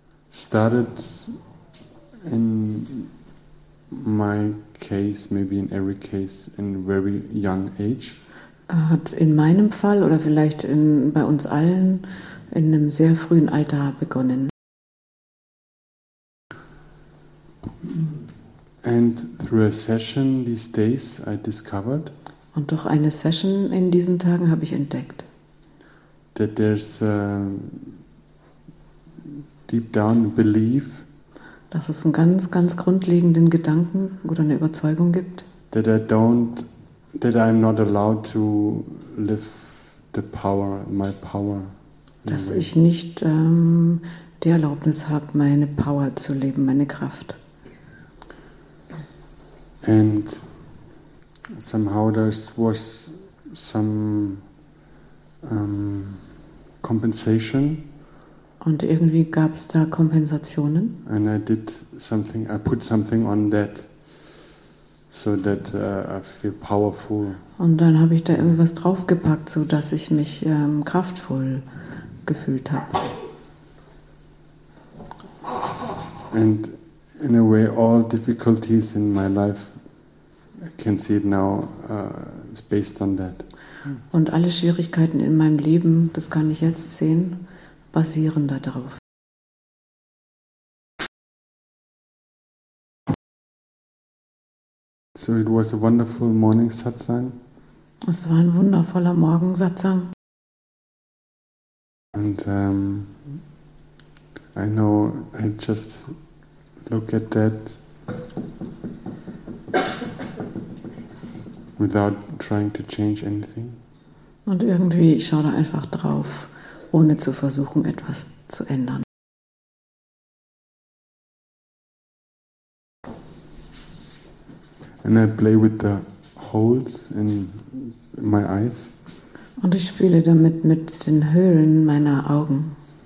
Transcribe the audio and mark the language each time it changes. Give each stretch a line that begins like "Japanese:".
English: Started in my case, maybe in every case, in very young age.
German: Hat in meinem Fall oder vielleicht in, bei uns allen in einem sehr frühen Alter begonnen.
English: And through a session these days I discovered.
German: Und durch eine Session in diesen Tagen habe ich entdeckt.
English: That there's a deep down belief.
German: Dass es einen ganz, ganz grundlegenden Gedanken oder eine Überzeugung gibt.
English: That I'm not allowed to live the power, my power.
German: Dass ich nicht die Erlaubnis habe, meine Power zu leben, meine Kraft.
English: And somehow there was some compensation.
German: Und irgendwie gab es da Kompensationen.
English: And I did something, I put something on that, so that I feel powerful.
German: Und dann habe ich da irgendwas draufgepackt, so dass ich mich kraftvoll gefühlt habe.
English: And in a way all difficulties in my life, I can see it now, it's based on that.
German: Und alle Schwierigkeiten in meinem Leben, das kann ich jetzt sehen, basieren darauf.
English: So it was a wonderful morning satsang.
German: Es war ein wundervoller Morgen satsang.
English: And I know, I just look at that. Without trying to change anything.
German: Und irgendwie, ich schaue da einfach drauf, ohne zu versuchen, etwas zu ändern.
English: And I play with the holes in my eyes.
German: Und ich spiele damit mit den Höhlen meiner Augen.